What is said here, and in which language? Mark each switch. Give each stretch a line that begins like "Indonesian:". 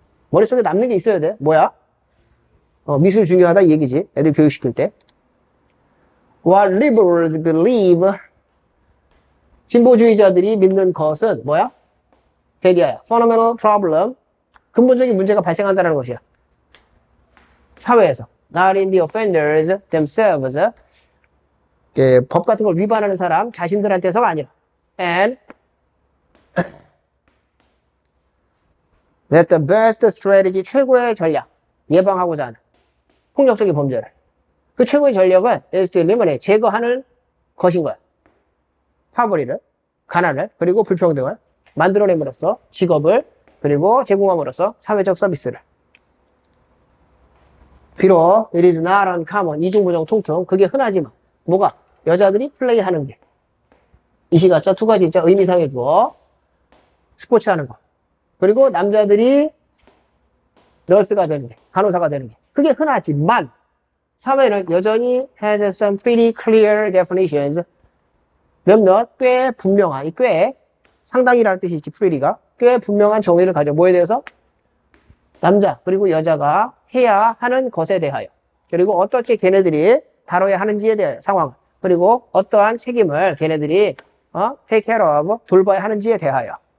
Korean: 머릿속에 남는 게 있어야 돼. 뭐야? 미술 중요하다 이 얘기지. 애들 교육시킬 때.
English: What liberals believe.
Korean: 진보주의자들이 믿는 것은 뭐야? 대리아야.
English: Fundamental problem.
Korean: 근본적인 문제가 발생한다는 것이야. 사회에서.
English: Not in the offenders themselves.
Korean: 법 같은 걸 위반하는 사람 자신들한테서가 아니라.
English: And that the best strategy.
Korean: 최고의 전략. 예방하고자 하는. 폭력적인 범죄를. 그 최고의 전략은
English: is to eliminate,
Korean: 제거하는 것인 거야. 파벌이를, 가난을, 그리고 불평등을 만들어내므로써 직업을, 그리고 제공함으로써 사회적 서비스를. 비록
English: it is not uncommon,
Korean: 이중부정 통틀, 그게 흔하지만, 뭐가? 여자들이 플레이하는 게. 이시가짜, 투가짜, 의미상의 주어, 스포츠 하는 거. 그리고 남자들이 널스가 되는 게, 간호사가 되는 게. 그게 흔하지만 사회는 여전히
English: has some pretty clear definitions.
Korean: 몇몇 꽤 분명한, 꽤 상당이라는 뜻이 있지, pretty가. 꽤 분명한 정의를 가져. 뭐에 대해서? 남자 그리고 여자가 해야 하는 것에 대하여. 그리고 어떻게 걔네들이 다뤄야 하는지에 대한 상황. 그리고 어떠한 책임을 걔네들이
English: take care of,
Korean: 돌봐야 하는지에 대하여.